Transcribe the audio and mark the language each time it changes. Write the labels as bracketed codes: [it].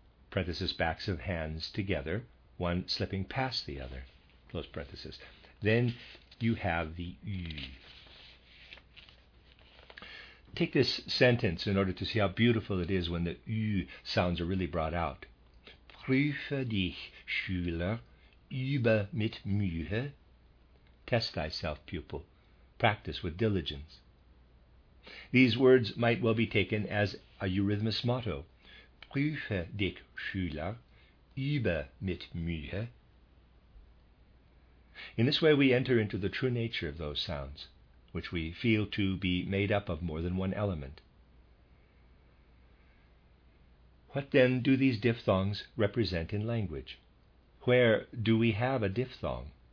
[en] Parenthesis, backs of hands together, one slipping past the other, close parenthesis. Then you have the U. Take this sentence in order to see how beautiful it is when the U sounds are really brought out. [de] Prüfe dich, Schüler, übe mit Mühe. [en] Test thyself, pupil. Practice with diligence. These words might well be taken as a eurythmus motto. [de] Prüfe dich, Schüler, übe mit Mühe. [en] In this way, we enter into the true nature of those sounds, which we feel to be made up of more than one element. What then do these diphthongs represent in language? Where do we have a diphthong?